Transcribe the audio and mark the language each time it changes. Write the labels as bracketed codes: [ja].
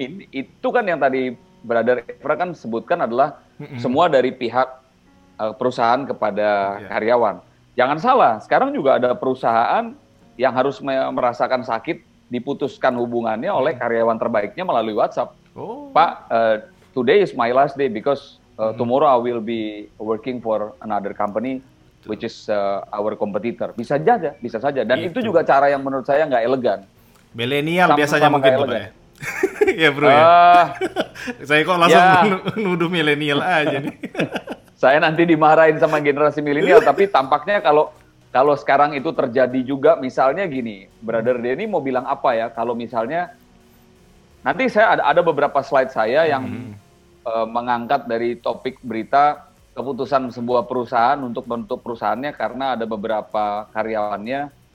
[id] Itu kan yang tadi Brother Evra kan sebutkan adalah semua dari pihak perusahaan kepada karyawan. Jangan salah, sekarang juga ada perusahaan yang harus merasakan sakit diputuskan hubungannya oleh karyawan terbaiknya melalui WhatsApp. [en] Pak, today is my last day because tomorrow I will be working for another company, which is our competitor. [id] Bisa saja, bisa saja. Dan itu juga cara yang menurut saya nggak elegan. Milenial biasanya mungkin itu, Pak. Ya, Bro, ya. Saya kok langsung nuduh milenial aja nih. Saya nanti dimarahin sama generasi milenial, tapi tampaknya kalau sekarang itu terjadi juga, misalnya gini, Brother Denny mau bilang apa ya, kalau misalnya, nanti saya ada beberapa slide saya yang mengangkat dari topik berita keputusan sebuah perusahaan untuk menutup perusahaannya karena ada beberapa karyawannya